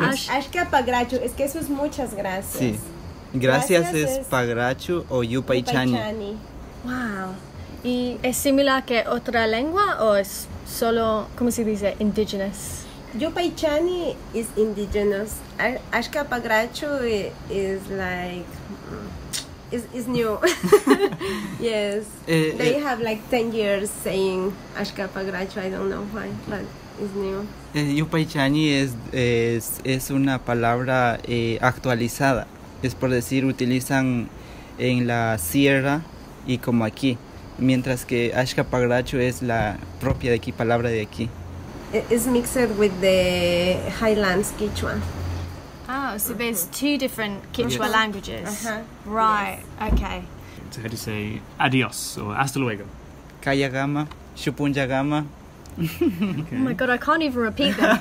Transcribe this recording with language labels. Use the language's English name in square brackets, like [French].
[Spanish] Ashkapagrachu, es que eso es muchas gracias. Sí. Gracias es pagrachu o yupaychani. Wow. ¿Y es similar que otra lengua o es solo, cómo se dice, indigenous? [English] Yupaychani is indigenous. Ashkapagrachu is like... Is new. Yes. They have like 10 years saying Ashkapagrachu. I don't know why, but it's new. [Spanish] Yupaychani es una palabra actualizada. Es por decir, utilizan en la sierra y como aquí. Mientras que Ashkapagrachu es la propia de aquí, palabra de aquí. [English] It's mixed with the Highlands Quechua. Oh, so there's two different Kichwa languages. Uh-huh. Right, yes. Okay. So how do you say adios or hasta luego? [Quechua] Kaya gama, shupunja gama. [English] Okay. Oh my God, I can't even repeat them.